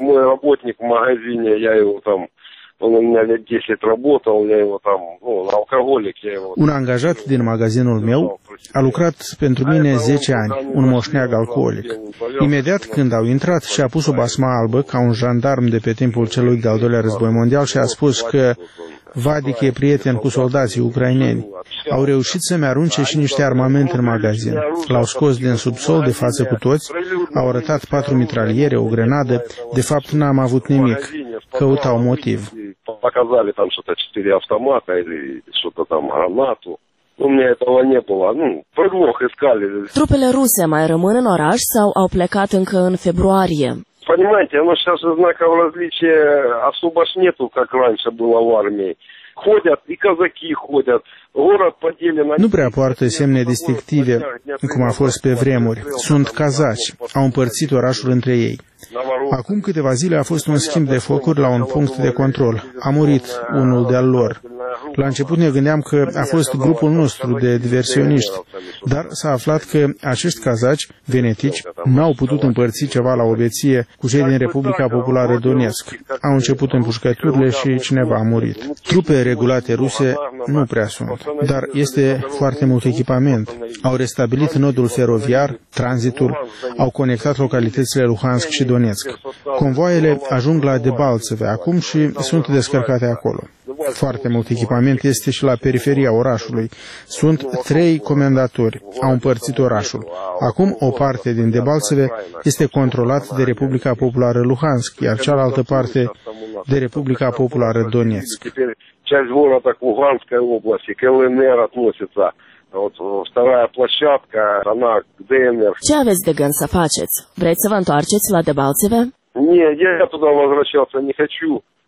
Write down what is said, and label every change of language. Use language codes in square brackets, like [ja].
[ru] Мой работник в магазине, я его там он у меня лет 10 работал, я его там, ну, алкоголик, я его. [ro] Un angajat din magazinul meu a lucrat pentru mine 10 ani, un moșneag alcoolic. Imediat când au intrat și a pus o basma albă ca un jandarm de pe timpul celui de-al doilea război mondial și a spus că Vadic e prieten cu soldații ucraineni. Au reușit să-mi arunce și niște armament în magazin. L-au scos din subsol de față cu toți, au arătat 4 mitraliere, o grenadă. De fapt, n-am avut nimic. Căutau motiv. [ru] Показали там что-то 4 автомата или что-то там гранату. У меня этого не было. Ну, предлог искали. [ro] Трупели руси mai rămân în oraș sau au plecat încă în februarie? [ru] Понимаете, оно сейчас знаков различия особо ж нету, как раньше было в армии. Ходят и казаки ходят. [ro] Nu prea poartă semne distinctive, cum a fost pe vremuri. Sunt kazaci, au împărțit orașul între ei. Acum câteva zile a fost un schimb de focuri la un punct de control. A murit unul de-al lor. La început ne gândeam că a fost grupul nostru de diversioniști, dar s-a aflat că acești kazaci venetici n-au putut împărți ceva la obieție cu cei din Republica Populară Donetsk. Au început împușcăturile și cineva a murit. Trupe regulate ruse nu prea sunt. Dar este foarte mult echipament. Au restabilit nodul feroviar, tranzitul, au conectat localitățile Luhansk și Donetsk. Convoaiele ajung la Debaltseve acum și sunt descărcate acolo. Foarte mult echipament este și la periferia orașului. Sunt 3 comendatori, au împărțit orașul. Acum o parte din Debaltseve este controlată de Republica Populară Luhansk, iar cealaltă parte de Republica Populară Donetsk. [ru] Часть города Луганской области, КЛНР относится. Вот вторая площадка, она к ДНР. [ro] Ce aveți de gând să faceți? Vreți să vă întoarceți la Debaltseve? [ru] Не, я туда возвращаться не хочу.